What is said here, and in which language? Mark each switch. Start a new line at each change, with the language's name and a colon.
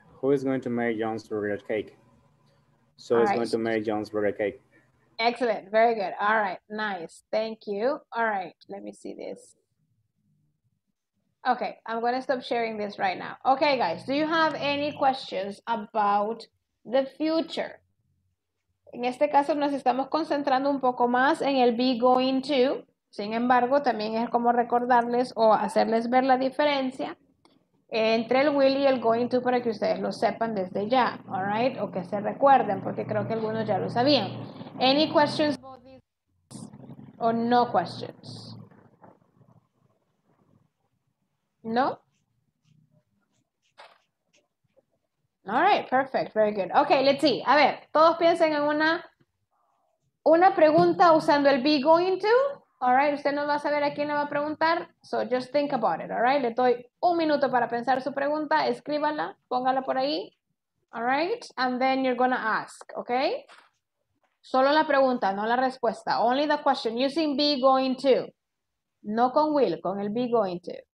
English: Who is going to make John's burger cake? So it's going to make John's burger cake. Excellent. Very good. All right. Nice. Thank you. All right. Let me see this. Okay. I'm going to stop sharing this right now. Okay, guys. Do you have any questions about the future?
Spanish: En este caso nos estamos concentrando un poco más en el be going to. Sin embargo, también es como recordarles o hacerles ver la diferencia entre el will y el going to para que ustedes lo sepan desde ya,
English: all right?
Spanish: O que se recuerden, porque creo que algunos ya lo sabían.
English: Any questions about this or no questions? No? All right, perfect, very good. Okay, let's see.
Spanish: A ver, todos piensen en una pregunta usando el be going to.
English: All right,
Spanish: usted no va a saber a quién le va a preguntar.
English: So just think about it, all right?
Spanish: Le doy un minuto para pensar su pregunta. Escríbala, póngala por ahí.
English: All right, and then you're gonna ask, okay?
Spanish: Solo la pregunta, no la respuesta.
English: Only the question, using be going to.
Spanish: No con will, con el be going to.